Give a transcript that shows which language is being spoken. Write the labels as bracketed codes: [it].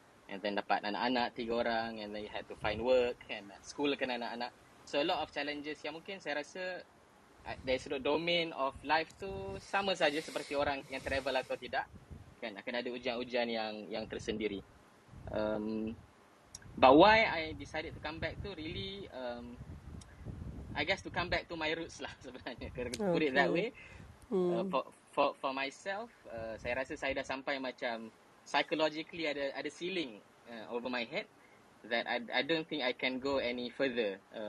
[en] And then [ms] dapat anak-anak 3 orang, [en] and then you had to find work, and school [ms] kena anak-anak. [en] So a lot of challenges [ms] yang mungkin saya rasa dari sudut [en] domain of life [ms] tu sama saja seperti orang yang travel atau tidak. Kan, akan ada ujian-ujian yang tersendiri. [en] But why I decided to come back tu really, I guess to come back to my roots [ms] lah sebenarnya. [en] Okay. Put it that way. For myself, [ms] saya rasa saya dah sampai macam [en] psychologically [ms] ada [en] ceiling over my head that I don't think I can go any further.